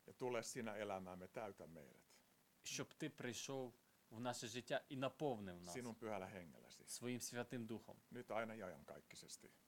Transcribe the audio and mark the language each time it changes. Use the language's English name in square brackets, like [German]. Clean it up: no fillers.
[Finnish] Ja tule sinä elämäämme, täytä meidät. [Ukrainian] Щоб ти прийшов в наше життя і наповнив нас. [Finnish] Sinun pyhällä hengelläsi. [Ukrainian] Своїм святим духом. [Finnish] Nyt aina ja iankaikkisesti.